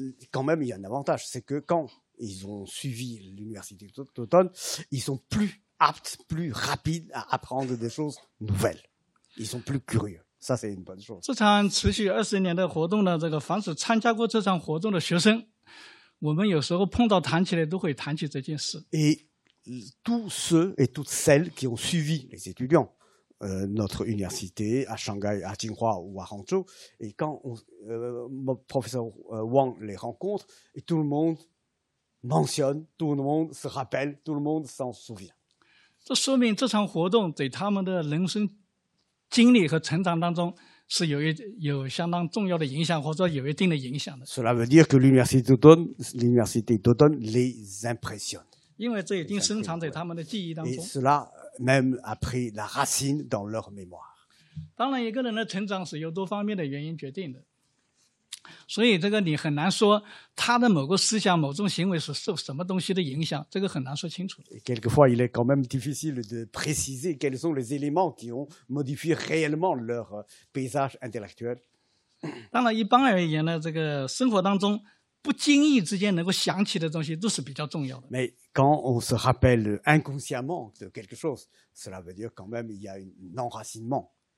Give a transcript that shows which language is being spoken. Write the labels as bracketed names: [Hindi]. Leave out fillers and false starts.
[French] Quand même, il y a un avantage, c'est que quand ils ont suivi l'université d'automne, ils sont plus aptes, plus rapides à apprendre des choses nouvelles. Ils sont plus curieux. Ça, c'est une bonne chose. [Chinese] 这场持续二十年的活动呢，这个凡是参加过这场活动的学生。我们有时候碰到谈起来都会谈起这件事。 [French] Et tous ceux et toutes celles qui ont suivi les étudiants, notre université à Shanghai, à Tsinghua ou à Hangzhou, et quand mon professeur Wang les rencontre, et tout le monde mentionne, tout le monde se rappelle, tout le monde s'en souvient. [Chinese] 这说明这场活动对他们的人生经历和成长当中是有相当重要的影响，或者有一定的影响的。 [French] Cela veut dire que l'université d'automne les impressionne. [Chinese] 因为这已经深藏在他们的记忆当中。 [French] Et cela même a pris la racine dans leur mémoire. [Chinese] 当然，一个人的成长是由多方面的原因决定的。所以，这个你很难说他的某个思想、某种行为是受什么东西的影响，这个很难说清楚。 [French] Quelquefois, il est quand même difficile de préciser quels sont les éléments qui ont modifié réellement leur paysage intellectuel. [Chinese] 当然，一般而言呢，这个生活当中不经意之间能够想起的东西都是比较重要的。 [French] Mais quand on se rappelle inconsciemment de quelque chose, cela veut dire quand même il y a un enracinement.